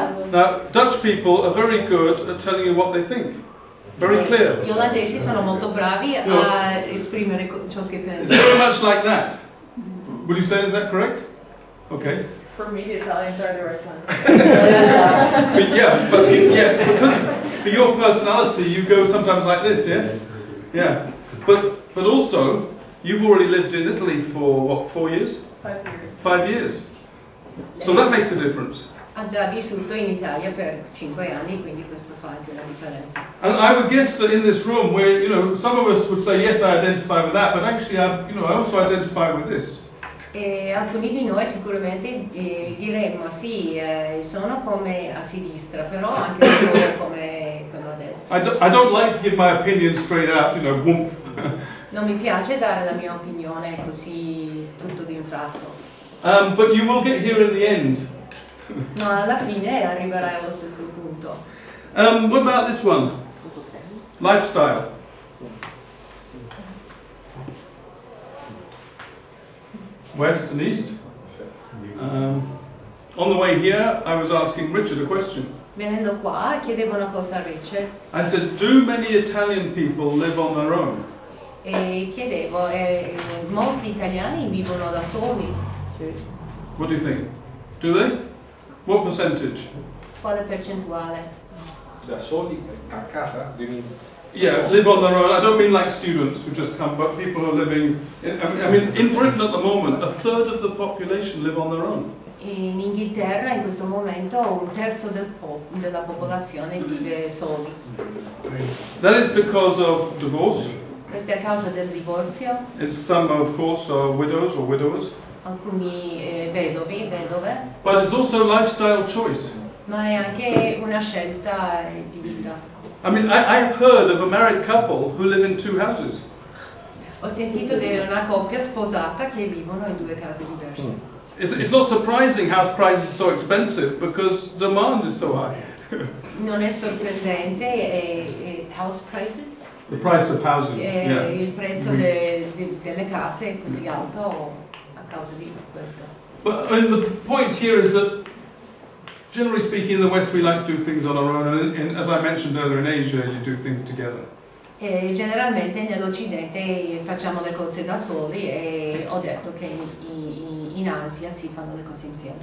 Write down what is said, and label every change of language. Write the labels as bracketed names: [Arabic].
[English] Now, Dutch people are very good at telling you what they think. Very clear. [Italian] Gli olandesi sono molto bravi a esprimere ciò che pensano. [English] It's very much like that. Would you say, is that correct? Okay. For me, the Italians are the right ones. Yeah. Because for your personality, you go sometimes like this, yeah? Yeah. But also, you've already lived in Italy for, what, 4 years? 5 years. 5 years. So that makes a difference. [Italian] Ha già vissuto in Italia per 5 anni, quindi questo fa anche la differenza. [English] And I would guess that in this room, where, you know, some of us would say, yes, I identify with that, but actually, I also identify with this. [Italian] E alcuni di noi sicuramente diremmo, sì, sono come a sinistra, però anche come quello a destra. [English] I don't like to give my opinion straight out, you know, whoomp. [Italian] Non mi piace dare la mia opinione così tutto di un tratto. [English] But you will get here in the end. [Italian] No, alla fine arriverai allo stesso punto. [English] What about this one? Lifestyle. West and East. On the way here, I was asking Richard a question. [Italian] Venendo qua, chiedevo una cosa a Richard. [English] I said, do many Italian people live on their own? [Italian] E chiedevo, molti italiani vivono da soli. [English] What do you think? Do they? What percentage? [Italian] Quale percentuale? Da soli a casa? Do you mean? [English] Yeah, live on their own. I don't mean like students who just come, but people who are living. I mean, in Britain at the moment, a third of the population live on their own. [Italian] In Inghilterra, in questo momento, un terzo della popolazione vive soli. [English] That is because of divorce. [Italian] Questo è a causa del divorzio. [English] It's some, of course, are widows or widowers. [Italian] Alcuni vedovi, vedove. [English] But it's also a lifestyle choice. [Italian] Ma è anche una scelta di vita. [English] I mean, I have heard of a married couple who live in two houses. [Italian] Ho sentito di una coppia sposata che vivono in due case diverse. [English] It's not surprising house prices are so expensive because demand is so high. [Italian] Non è sorprendente house prices? [English] The price of housing. [Italian] Il prezzo delle case è così alto a causa di questo. [English] But I mean, the point here is that. Generally speaking, in the West we like to do things on our own, and as I mentioned earlier, in Asia you do things together. [Italian] E generalmente nell'Occidente facciamo le cose da soli, e ho detto che in Asia si fanno le cose insieme.